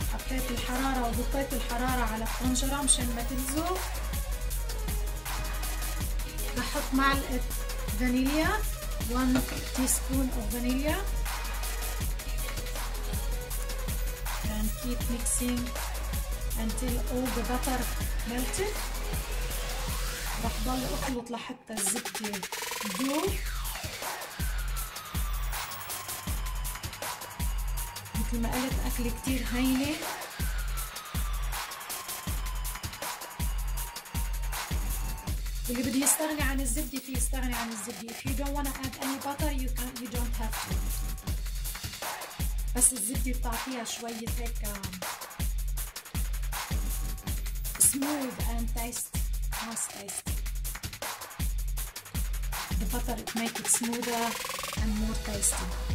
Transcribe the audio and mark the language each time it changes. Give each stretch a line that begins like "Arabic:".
Arabic: الحرارة وضطيت الحرارة على الطنجرة مشان ما تلزق. بحط معلقة فانيليا،
English: 1 teaspoon of vanilla. And keep mixing until all the butter melted.
Arabic: رح ضل اخلط لحتى الزبدة تذوب. مثل ما قلت اكل كتير هينة. اللي بده يستغني عن الزبدة فيه يستغني عن الزبدة.
English: If you don't wanna add any butter you can't, you don't have to.
Arabic: بس الزبدة بتعطيها شوية هيك
English: smooth and taste, nice taste. The butter it make it smoother and more tasty.